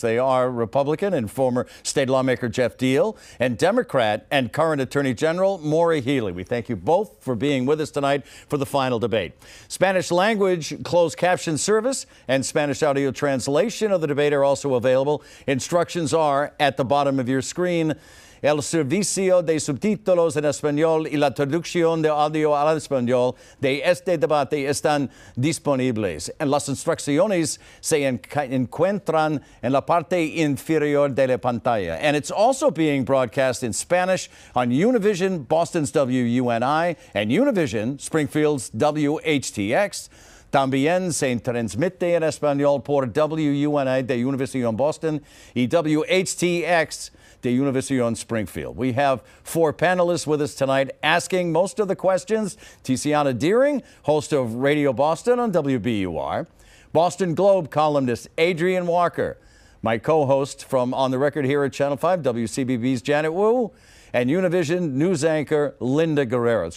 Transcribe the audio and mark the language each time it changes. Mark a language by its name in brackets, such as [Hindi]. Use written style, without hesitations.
[English] They are Republican and former state lawmaker Geoff Diehl and Democrat and current Attorney General Maura Healey. We thank you both for being with us tonight for the final debate. Spanish language closed caption service and Spanish audio translation of the debate are also available. Instructions are at the bottom of your screen. [Spanish] El servicio de subtítulos en español y la traducción de audio al español de este debate están disponibles. En las instrucciones se encuentran en la parte inferior de la pantalla. [English] And it's also being broadcast in Spanish on Univision, Boston's WUNI, and Univision, Springfield's WHTX. [Spanish] También se transmite en español por WUNI de Univision Boston y WHTX. [English] The University of Springfield. We have four panelists with us tonight asking most of the questions. Tiziana Deering, host of Radio Boston on WBUR, Boston Globe columnist Adrian Walker, my co-host from On the Record here at Channel 5, WCBB's Janet Wu, and Univision news anchor Linda Guerrero.